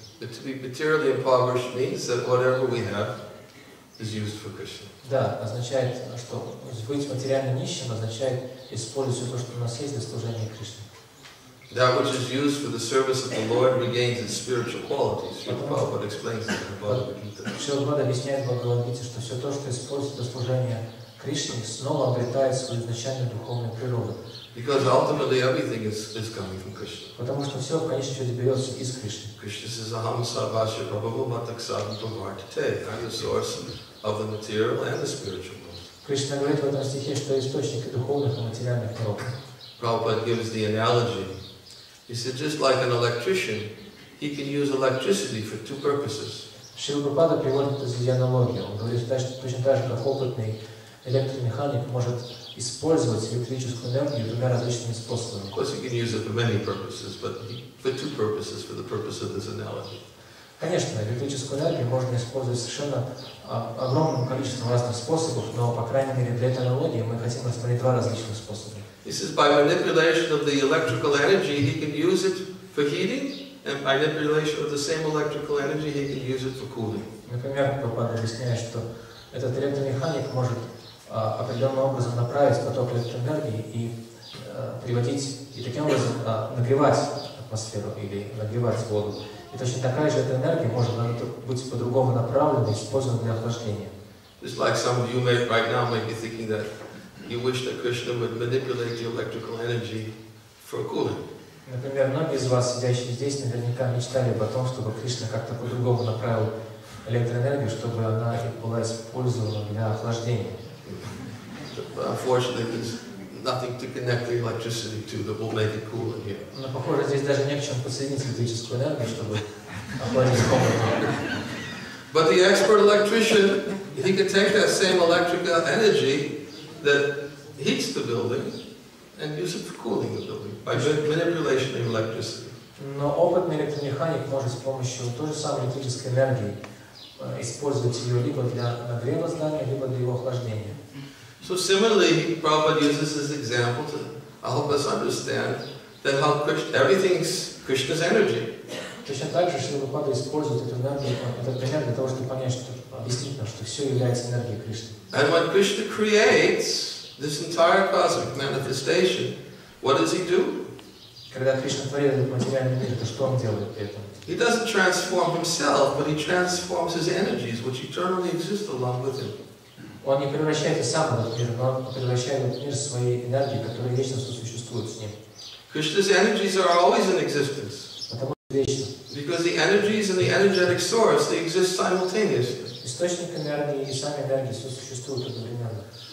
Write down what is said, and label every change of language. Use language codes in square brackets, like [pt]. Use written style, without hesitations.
[en] But to be materially impoverished means that whatever we have is used for Krishna. [ru] Да, означает, что быть материально нищим означает использовать все то, что у нас есть для служения Кришне. [en] That which is used for the service of the Lord regains its spiritual qualities. Prabhupada explains it in the Bhagavad Gita. [ru] Prabhupada объясняет в Бхагавад Гите, что все то, что используется для служения Кришне, снова обретает свою изначальную духовную природу. [en] Because ultimately everything is coming from Krishna. [ru] Потому что все в конечном счете берется из Кришны. [en] Krishna says, [sa] "Aham sarvasya prabhuvamataksadam tomartite." [en] I am the source of the material and the spiritual world. [ru] Кришна говорит в этом стихе, что источник и духовных, и материальных природ. [en] Prabhupada gives the analogy. He said, just like an electrician, he can use electricity for two purposes. [ru] Шрила Прабхупада приводит это за аналогию. Он говорит, что точно так же, как опытный электромеханик может использовать электрическую энергию двумя различными способами. [en] Of course, he can use it for many purposes, but for two purposes, for the purpose of this analogy. [ru] Конечно, электрическую энергию можно использовать совершенно огромным количеством разных способов, но, по крайней мере, для этой аналогии мы хотим рассмотреть два различных способа. [en] He says, by manipulation of the electrical energy, he can use it for heating, and by manipulation of the same electrical energy, he can use it for cooling. [ru] Например, Прабхупада объясняет, что этот электромеханик может определенным образом направить поток электроэнергии и приводить, и таким образом нагревать атмосферу или нагревать воду. И точно такая же эта энергия может быть по-другому направлена и использована для охлаждения. [en] Just like some of you may right now may be thinking that you wish that Krishna would manipulate the electrical energy for cooling. [ru] Например, многие из вас, сидящие здесь, наверняка мечтали об том, чтобы Кришна как-то по-другому направил электроэнергию, чтобы она была использована для охлаждения. [en] But unfortunately, there's nothing to connect the electricity to that will make it cooler here. [ru] Но похоже, здесь даже не к чему подсоединить электрическую энергию, чтобы охладить комнату. [en] But the expert electrician, he could take that same electrical energy that heats the building and use it for cooling the building by manipulation of electricity. [ru] Но опытный электромеханик может с помощью той же самой электрической энергии использовать ее либо для нагрева здания, либо для его охлаждения. [en] So similarly, Prabhupada uses this example to help us understand that how everything's Krishna's energy. [ru] Точно так же, Шрила Прабхупада использует эту энергию, этот пример для того, чтобы понять, что объяснить нам, что все является энергией Кришны. [en] And when Krishna creates this entire cosmic manifestation, what does he do? [ru] Когда Кришна творит этот материальный мир, то что он делает при этом? [en] He doesn't transform himself, but he transforms his energies, which eternally exist along with him. [ru] Он не превращается сам в этот мир, но он превращает этот мир в свои энергии, которые вечно сосуществуют с ним. [en] Krishna's energies are always in existence. [ru] Потому что вечно. [en] Because the energies and the energetic source, they exist simultaneously. [ru] Источник энергии и сами энергии сосуществуют одновременно.